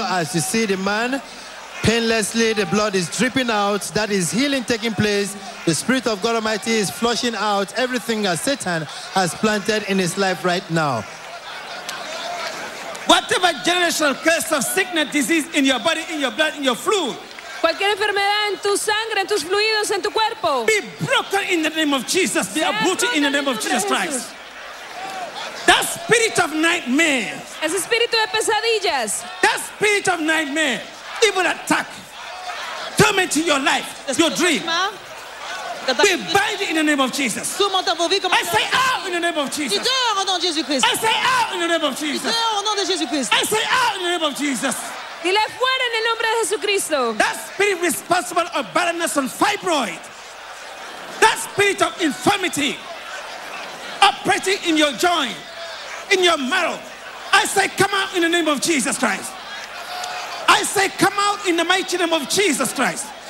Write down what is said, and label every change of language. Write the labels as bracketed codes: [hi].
[en] As you see the man, painlessly the blood is dripping out. That is healing taking place. The spirit of God Almighty is flushing out everything that Satan has planted in his life right now. Whatever generational curse of sickness, disease in your body, in your blood, in your fluid. [es] Cualquier enfermedad en tu sangre, en tus fluidos, en tu cuerpo. [en] Be broken in the name of Jesus. Be uprooted in the name of Jesus Christ. That spirit of nightmare. [es] Ese espíritu de pesadillas. [en] That spirit of nightmare. Evil attack. Tormenting your life, your dream. We bind it in the name of Jesus. I say out in the name of Jesus. I say out in the name of Jesus. I say out in the name of Jesus. I say out in the name of Jesus. [es] Dile fuera en el nombre de Jesucristo. [en] That spirit responsible of barrenness and fibroid. That spirit of infirmity operating in your joint, in your marrow. I say come out in the name of Jesus Christ. I say come out in the mighty name of Jesus Christ.